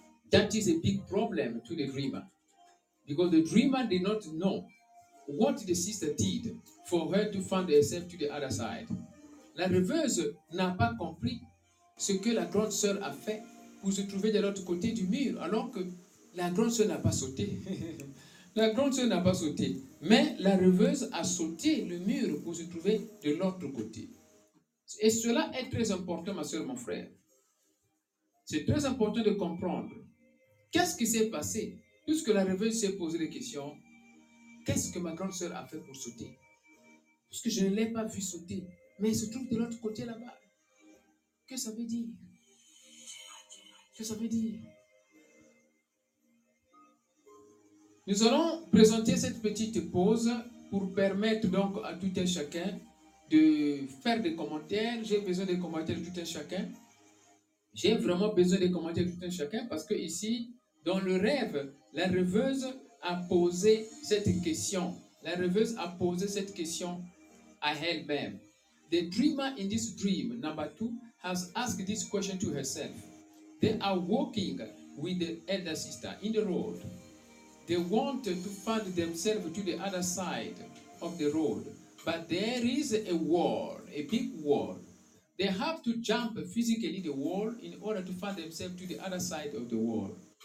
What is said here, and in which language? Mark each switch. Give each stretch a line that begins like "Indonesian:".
English: That is a big problem to the dreamer. Because the dreamer did not know what the sister did for her to find herself to the other side.
French: La rêveuse n'a pas compris ce que la grande sœur a fait pour se trouver de l'autre côté du mur, alors que la grande sœur n'a pas sauté. La grande sœur n'a pas sauté, mais la rêveuse a sauté le mur pour se trouver de l'autre côté. Et cela est très important, ma sœur, mon frère. C'est très important de comprendre qu'est-ce qui s'est passé puisque la rêveuse s'est posé la question, qu'est-ce que ma grande sœur a fait pour sauter? Puisque je ne l'ai pas vue sauter, mais elle se trouve de l'autre côté là-bas. Que ça veut dire? Que ça veut dire? Nous allons présenter cette petite pause pour permettre donc à tout un chacun de faire des commentaires. J'ai besoin des commentaires de tout un chacun. J'ai vraiment besoin des commentaires de tout un chacun parce que ici, dans le rêve, la rêveuse a posé cette question. La rêveuse a posé cette question à elle-même.
English: The dreamer in this dream, number two, has asked this question to herself. They are walking with the elder sister in the road. They want to find themselves to the other side of the road. But there is a wall, a big wall. They have to jump physically the wall in order to find themselves to the other side of the wall.